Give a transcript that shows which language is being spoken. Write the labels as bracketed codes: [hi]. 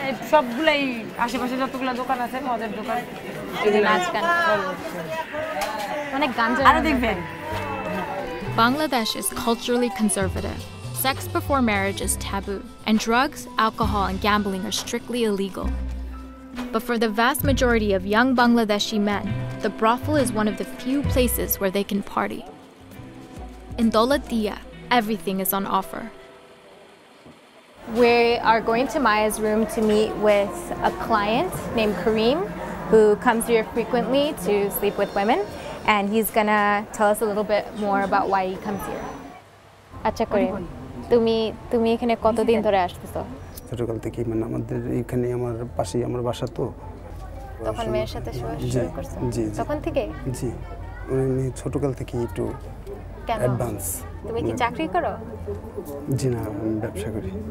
[bn] সবগুলাই, আশেপাশে যতগুলো দোকান আছে মদের দোকান, নাচ গান অনেক গান আরো দেখবেন। [en] Bangladesh is culturally conservative. Sex before marriage is taboo, and drugs, alcohol, and gambling are strictly illegal. But for the vast majority of young Bangladeshi men, the brothel is one of the few places where they can party. In Dolatia, everything is on offer. We are going to Maya's room to meet with a client named Kareem, who comes here frequently to sleep with women, and he's gonna tell us a little bit more about why he comes here. [bn] Acha Kareem. তুমি এখানে কতদিন ধরে আসতেছো? ছোটকাল থেকে, মানে আমাদের এখানে আমার পাশে আমার বাসা, তো তখন মেয়ের সাথে শুয়ে শুয়ে করছো তখন থেকে? জি, আমি ছোটকাল থেকে একটু অ্যাডভান্স। তুমি কি চাকরি করো? জি না, আমি ব্যবসা করি।